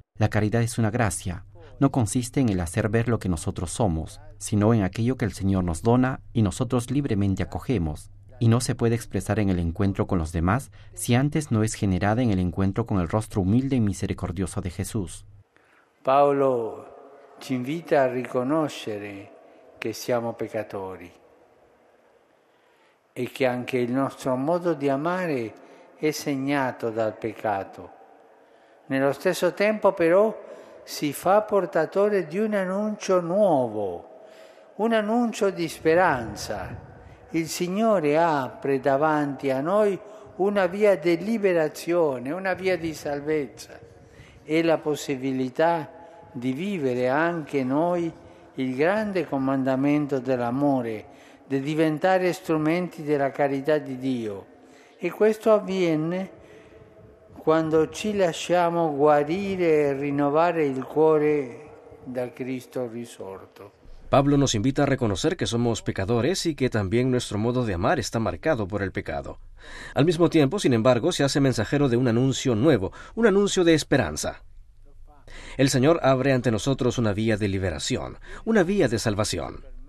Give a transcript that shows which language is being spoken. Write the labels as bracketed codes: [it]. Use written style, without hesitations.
[es] La caridad es una gracia, no consiste en el hacer ver lo que nosotros somos, sino en aquello que el Señor nos dona y nosotros libremente acogemos. Y no se puede expresar en el encuentro con los demás si antes no es generada en el encuentro con el rostro humilde y misericordioso de Jesús. [it] Paolo ci invita a riconoscere che siamo peccatori e che anche il nostro modo di amare è segnato dal peccato. Nello stesso tempo però si fa portatore di un annuncio nuovo, un annuncio di speranza. Il Signore apre davanti a noi una via di liberazione, una via di salvezza e la possibilità di vivere anche noi il grande comandamento dell'amore, di diventare strumenti della carità di Dio. E questo avviene quando ci lasciamo guarire e rinnovare il cuore da Cristo risorto. [es] Pablo nos invita a reconocer que somos pecadores y que también nuestro modo de amar está marcado por el pecado. Al mismo tiempo, sin embargo, se hace mensajero de un anuncio nuevo, un anuncio de esperanza. El Señor abre ante nosotros una vía de liberación, una vía de salvación.